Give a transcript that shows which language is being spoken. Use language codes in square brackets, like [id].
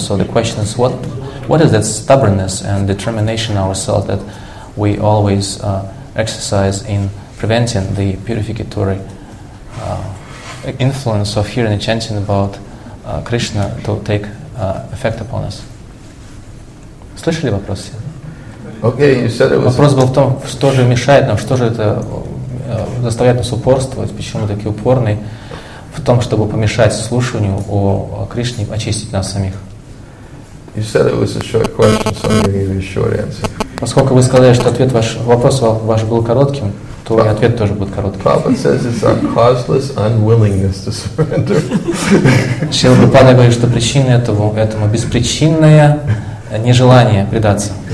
[en] So the question is, what is that stubbornness and determination ourselves that we always exercise in preventing the purificatory influence of hearing and chanting about Krishna to take effect upon us. [ru] Слышали вопрос? [en] Okay, you said it was. [ru] Вопрос был в том, что же мешает нам, что же это заставляет нас упорствовать, почему мы такие упорные в том, чтобы помешать слушанию о Кришне, очистить нас самих. [en] You said it was a short question, so I'm going to give you a short answer. [ru] Поскольку вы сказали, что ответ ваш вопрос ваш был коротким, то и ответ тоже будет короткий. [en] Prabhupada says it's our causeless unwillingness to surrender. [ru] Шрила Прабхупада говорит, что причина этому беспричинное нежелание предаться.